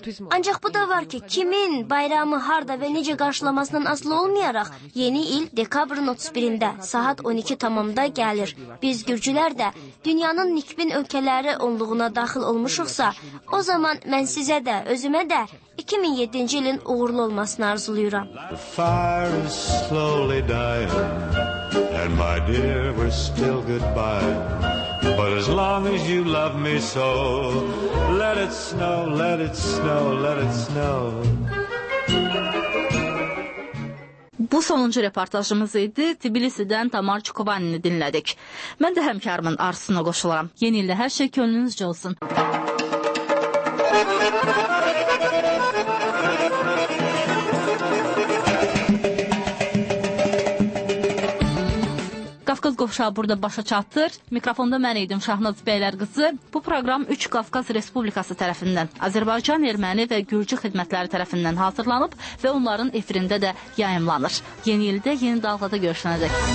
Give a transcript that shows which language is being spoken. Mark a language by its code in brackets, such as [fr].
[az] Ancaq bu da var ki, kimin bayramı harda və necə qarşılamasından asılı olmayaraq, yeni il dekabrın 31-də saat 12 tamamda gəlir. Biz gürcülər də dünyanın nikbin ölkələri onluğuna daxil olmuşuqsa, o zaman mən sizə də, özümə də 2007-ci ilin uğurlu olmasını arzulayıram. [en] The fire is slowly dying, and my dear, we're still goodbye. But as long as you love me so, let it snow, let it snow, let it snow. [az] Bu sonuncu reportajımız idi. Tbilisi'dən Tamar Çukovanini dinlədik. Mən də həmkarımın arzusuna qoşularam. Yeni ildə hər şey könlünüzcə olsun. Qafqaz Qovşağı burada başa çatır. Mikrofonda mən idim Şahnaz Bəylər qızı. Bu proqram 3 Qafqaz Respublikası tərəfindən, Azərbaycan, Erməni və Gürcü xidmətləri tərəfindən hazırlanıb və onların efirində də yayımlanır. Yeni ildə yeni dalğada görüşənədək.